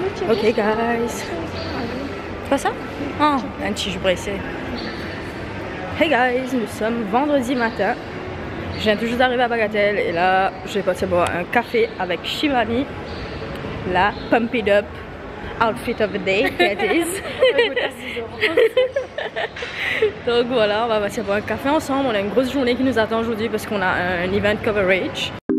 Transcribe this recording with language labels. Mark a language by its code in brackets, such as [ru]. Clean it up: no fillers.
[fr] Ok, guys. Pas ça? Oh, un tige pressé. Hey guys, nous sommes vendredi matin. Je viens tout juste d'arriver à Bagatelle et là, je vais passer boire un café avec Shimami. [en] La pump it up outfit of the day, that is. [fr] Donc voilà, on va passer boire un café ensemble. On a une grosse journée qui nous attend aujourd'hui parce qu'on a un event coverage.